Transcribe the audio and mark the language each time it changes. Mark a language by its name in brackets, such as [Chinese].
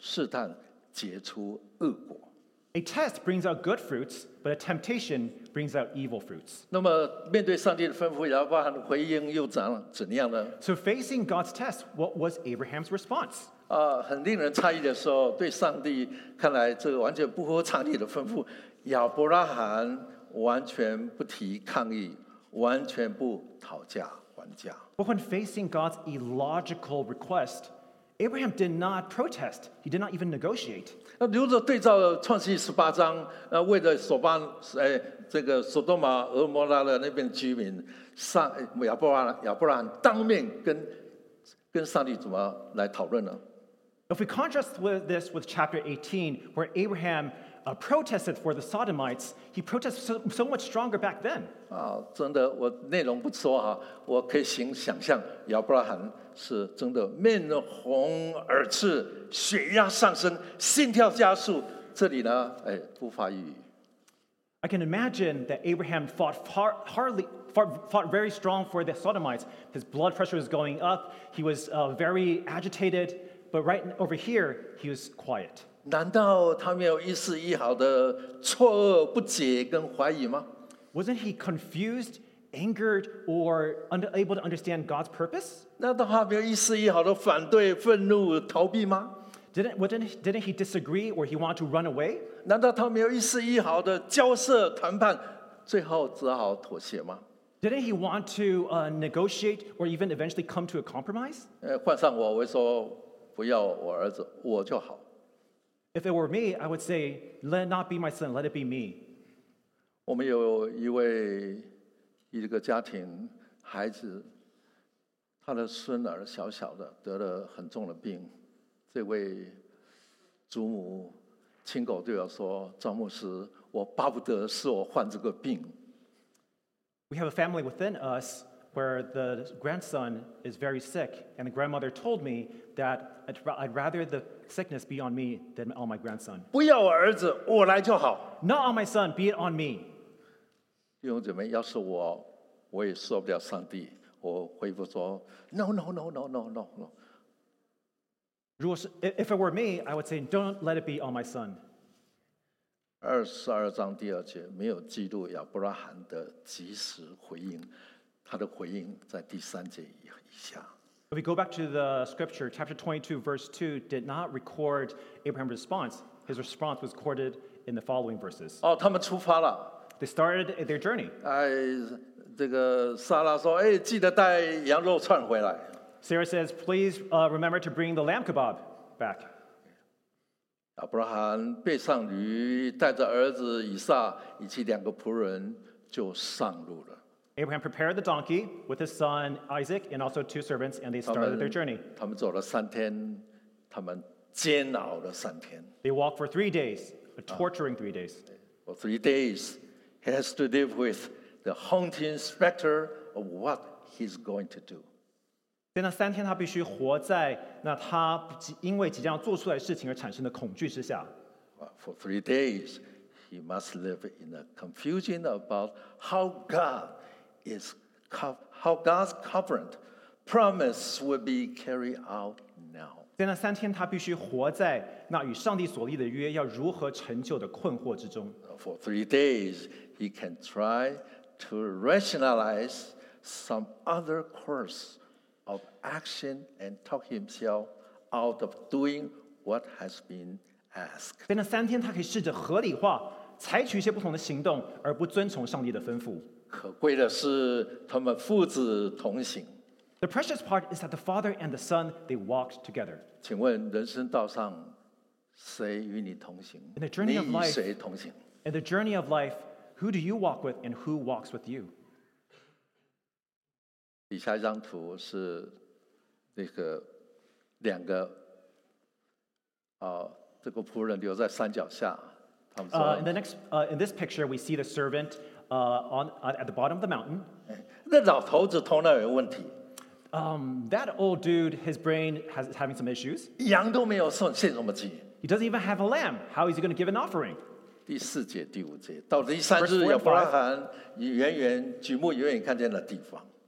[Chinese] 试验结出善果，试探结出恶果。 [English] A test brings out good fruits, but a temptation brings out evil fruits. [Chinese] 那么面对上帝的吩咐，亚伯拉罕的回应又怎样呢？ [English] So facing God's test, what was Abraham's response? [Chinese] 很令人诧异的时候，对上帝看来这完全不合常理的吩咐，亚伯拉罕完全不提抗议，完全不讨价还价。 [English] But when facing God's illogical request, Abraham did not protest. He did not even negotiate. [Chinese] 那如果对照创世纪18章，为了所巴，这个所多玛、俄摩拉的那边居民，上亚伯拉罕当面跟跟上帝怎么来讨论呢？ [English] If we contrast with this with chapter 18, where Abraham protested for the Sodomites, he protested so much stronger back then. [Chinese] 啊，真的，我内容不说哈，我可以先想象亚伯拉罕是真的面红耳赤，血压上升，心跳加速，这里呢，哎，不发一语。 [English] I can imagine that Abraham fought very strong for the Sodomites. His blood pressure was going up. He was very agitated. But right over here, he was quiet. [Chinese] 难道他没有一丝一毫的错愕、不解跟怀疑吗？ [English] Wasn't he confused, angered, or unable to understand God's purpose? [Chinese] 难道他没有一丝一毫的反对、愤怒、逃避吗？ [English] Didn't he disagree or he want to run away? [Chinese] 难道他没有一丝一毫的交涉谈判，最后只好妥协吗？ [English] Didn't he want to negotiate or even eventually come to a compromise? [Chinese] 换上我，我会说不要我儿子，我就好。 [English] If it were me, I would say, let not be my son, let it be me. [Chinese] 我们有一位一个家庭孩子，他的孙儿小小的得了很重的病。这位祖母亲口对我说：“张牧师，我巴不得是我患这个病。” [English] We have a family within us where the grandson is very sick, and the grandmother told me that I'd rather the sickness be on me than on my grandson. [Chinese] 不要我儿子，我来就好。 [English] Not on my son, be it on me. [Chinese] 弟兄姐妹，要是我，我也受不了上帝，我回复说 ： [English] “No, no, no, no, no, no, no.” If it were me, I would say, don't let it be on my son. [Chinese] 22章第二节，没有记录亚伯拉罕的及时回应，他的回应在第三节以下。 [English] If we go back to the scripture, chapter 22, verse 2, did not record Abraham's response. His response was recorded in the following verses. [Chinese] 哦，他们出发了。 [English] They started their journey. [Chinese] 哎，这个撒拉说，哎，记得带羊肉串回来。 [English] Sarah says, please remember to bring the lamb kebab back. [Chinese] Abraham 背上驴，带着儿子以撒以及两个仆人就上路了。 [English] Abraham prepared the donkey with his son Isaac and also two servants, and they started their journey. [Chinese] 他们走了三天，他们煎熬了三天。 [English] They walked for 3 days, a torturing 3 days. For 3 days, he has to live with the haunting specter of what he's going to do. [Chinese] 在那三天，他必须活在那他因为即将做出来的事情而产生的恐惧之下。 [English] For 3 days, he must live in a confusion about how God's covenant promise will be carried out now. [Chinese] 在那三天，他必须活在那与上帝所立的约要如何成就的困惑之中。 [English] For 3 days, he can try to rationalize some other course. Of action and talk himself out of doing what has been asked. [Chinese] 在那三天，他可以试着合理化，采取一些不同的行动，而不遵从上帝的吩咐。可贵的是，他们父子同行。 [English] The precious part is that the father and the son they walked together. [Chinese] 请问人生道上，谁与你同行？ [English] In the journey of life, [Chinese] 你与谁同行？ [English] In the journey of life, who do you walk with, and who walks with you? [Chinese] 底下一张图是那个两个这个仆人留在山脚下。 [English] In this picture, we see the servant at the bottom of the mountain. [Chinese] 那老头子头脑有问题。 [English] That old dude, his brain is having some issues. [Chinese] 羊都没有送，献什么祭？ [English] He doesn't even have a lamb. How is he going to give an offering? [Chinese] 第四节、第五节，到第三日，亚伯拉罕远远举目远远看见的地方。